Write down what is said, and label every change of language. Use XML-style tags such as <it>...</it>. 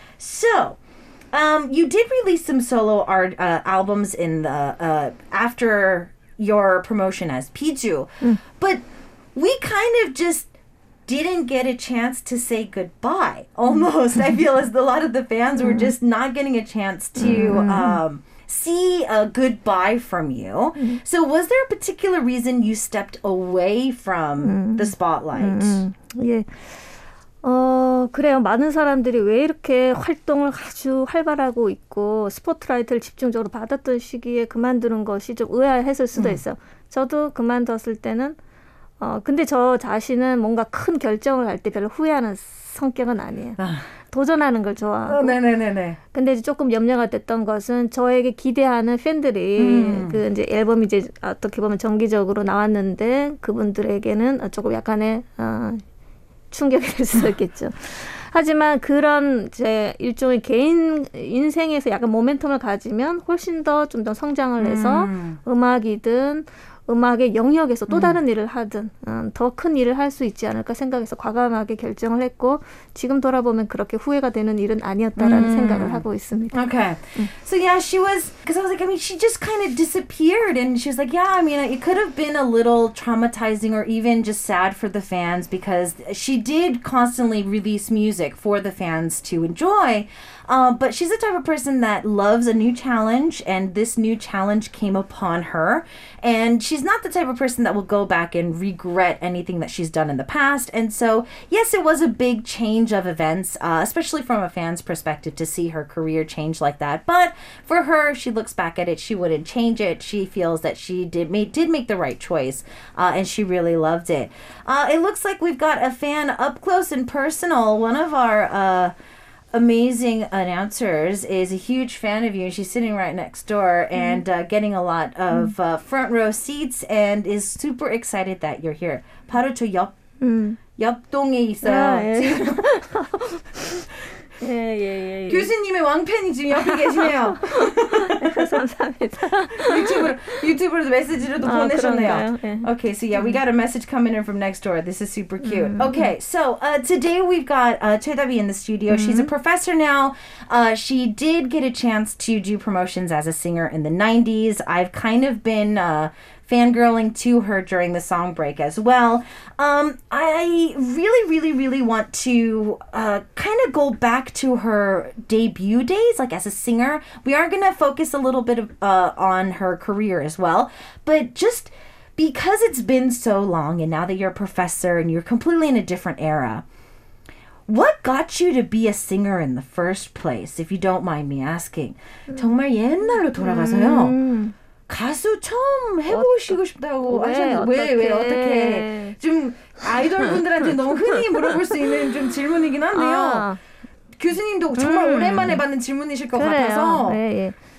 <en>So you did release some solo art albums in the after your promotion as Piju, but we kind of just didn't get a chance to say goodbye almost. I feel as a lot of the fans were just not getting a chance to see a goodbye from you. So was there a particular reason you stepped away from the spotlight?</en> <ko>예. 그래요. 많은 사람들이 왜 이렇게 활동을 아주 활발하고 있고 스포트라이트를 집중적으로 받았던 시기에 그만두는 것이 좀 의아했을 수도 있어요. 저도 그만뒀을 때는 근데 저 자신은 뭔가 큰 결정을 할 때 별로 후회하는 성격은 아니에요. 도전하는 걸 좋아하고. 네네네네. 근데 이제 조금 염려가 됐던 것은 저에게 기대하는 팬들이 그 이제 앨범이 이제 어떻게 보면 정기적으로 나왔는데 그분들에게는 조금 약간의 충격이 될 수 있겠죠. 하지만 그런 제 일종의 개인 인생에서 약간 모멘텀을 가지면 훨씬 더 좀 더 성장을 해서 음악이든 음악의 영역에서 또 다른 일을 하든 더 큰 일을 할 수 있지 않을까 생각해서 과감하게 결정을 했고 지금 돌아보면 그렇게 후회가 되는 일은 아니었다라는 생각을 하고 있습니다.</ko> <en>Okay. So yeah, she was, because I was like, I mean, she just kind of disappeared and she was like, yeah, I mean, it could have been a little traumatizing or even just sad for the fans because she did constantly release music for the fans to enjoy. But she's the type of person that loves a new challenge, and this new challenge came upon her. And she's not the type of person that will go back and regret anything that she's done in the past. And so, yes, it was a big change of events, especially from a fan's perspective, to see her career change like that. But for her, she looks back at it. She wouldn't change it. She feels that she did make the right choice, and she really loved it. It looks like we've got a fan up close and personal, one of our... amazing announcers is a huge fan of you. She's sitting right next door and getting a lot of front row seats and is super excited that you're here.</en> <ko>바로 저 옆 옆동에 있어요. 예예예. 교수님의 왕팬이 지금 옆에 계시네요. 감사합니다. 유튜브로도 메시지로도 보내셨네요.</ko> <en>Okay, so yeah, we got a message coming in from next door. This is super cute. Okay, so today we've got 최다비 in the studio. She's a professor now. She did get a chance to do promotions as a singer in the 90s. I've kind of been fangirling to her during the song break as well. I really, really, really want to kind of go back to her debut days, like as a singer. We are going to focus a little bit on her career as well. But just because it's been so long, and now that you're a professor and you're completely in a different era, what got you to be a singer in the first place, if you don't mind me asking?</en> <ko>정말 옛날로 돌아가서요. 가수 처음 해보시고 싶다고 하셨는데 왜 어떻게 좀 아이돌 분들한테 너무 흔히 물어볼 수 있는 좀 질문이긴 한데요. 교수님도 정말 오랜만에 받는 질문이실 것 그래요. 같아서 네, 예.</ko>